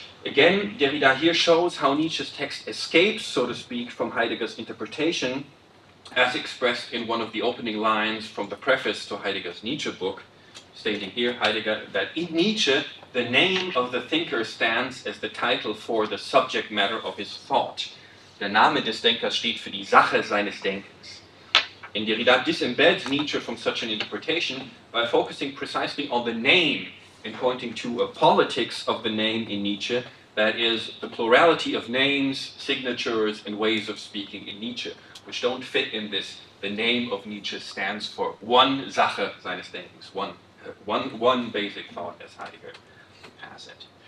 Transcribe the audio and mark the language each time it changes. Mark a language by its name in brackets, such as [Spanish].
[English] Again, Derrida here shows how Nietzsche's text escapes, so to speak, from Heidegger's interpretation, as expressed in one of the opening lines from the preface to Heidegger's Nietzsche book, stating here, Heidegger, that in Nietzsche, the name of the thinker stands as the title for the subject matter of his thought. [German] Der Name des Denkers steht für die Sache seines Denkens. [English] And Derrida disembeds Nietzsche from such an interpretation by focusing precisely on the name and pointing to a politics of the name in Nietzsche, that is, the plurality of names, signatures, and ways of speaking in Nietzsche, which don't fit in this, the name of Nietzsche stands for one [German] Sache seines Denkens, [English] one basic thought, as Heidegger has it.